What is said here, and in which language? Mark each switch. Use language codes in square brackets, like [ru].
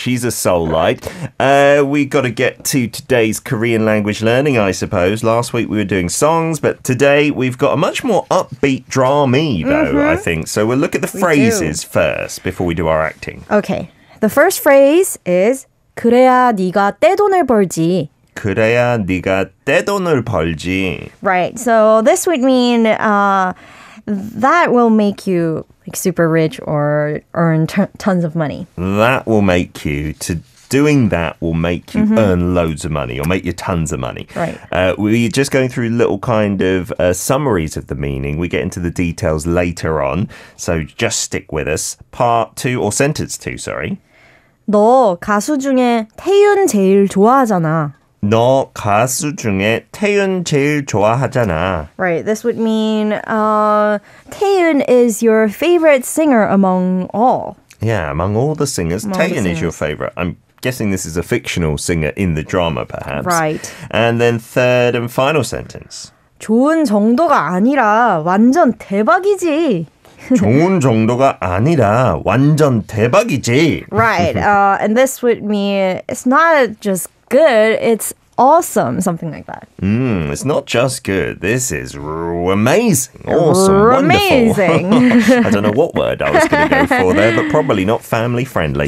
[en] She's a Seoulite. We got to get to today's Korean language learning, I suppose. Last week we were doing songs, but today we've got a much more upbeat drama, though, mm-hmm. I think. So we'll look at the phrases first before we do our acting. Okay. The first phrase is [ko] 그래야 네가 떼돈을 벌지. 그래야 네가 떼돈을 벌지. [en] Right. So this would mean that will make you like super rich or earn tons of money. That will make you to doing that will make you mm-hmm. earn loads of money or make you tons of money. Right. We're just going through little kind of summaries of the meaning. We get into the details later on. So just stick with us. Sentence two. [ko] 너 가수 중에 태윤 제일 좋아하잖아. 너 가수 중에 태윤 제일 좋아하잖아. [en] Right, this would mean 태윤 is your favorite singer among all. Yeah, among all the singers, Taeyoon is your favorite. I'm guessing this is a fictional singer in the drama, perhaps. Right. And then third and final sentence. [ko] 좋은 정도가 아니라 완전 대박이지. 좋은 정도가 아니라 완전 대박이지. [en] Right, and this would mean it's not just good, it's awesome, something like that. It's not just good. This is amazing, awesome, amazing. Wonderful. I don't know what word I was going to go for there, but probably not family friendly.